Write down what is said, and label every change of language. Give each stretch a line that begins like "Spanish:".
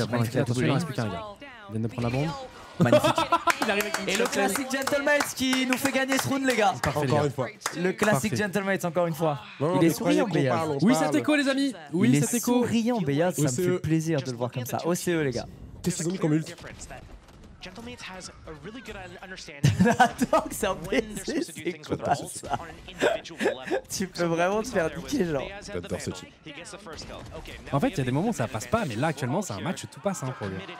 French: Attention, il reste plus qu'un gars. Il vient de prendre la bombe. Magnifique. Il arrive avec une. Et le classic gentleman qui nous fait gagner ce round, les gars. Encore une fois. Le classic gentleman, encore une fois. Non, il est souriant, Beyaz. Oui, c'est écho, les amis. Oui, il c'est écho. Il est souriant, Beyaz. Ça me fait plaisir de le voir comme ça. OCE, les gars. Qu'est-ce qu'ils ont mis comme ult?
English: Gentlemates has a really good understanding when they're supposed to do things with ults on an individual level.
French: Tu peux vraiment te faire niquer, genre. J'adore ce type. En fait, il y a des moments où ça passe pas, mais là actuellement, c'est un match où tout passe, hein, pour lui.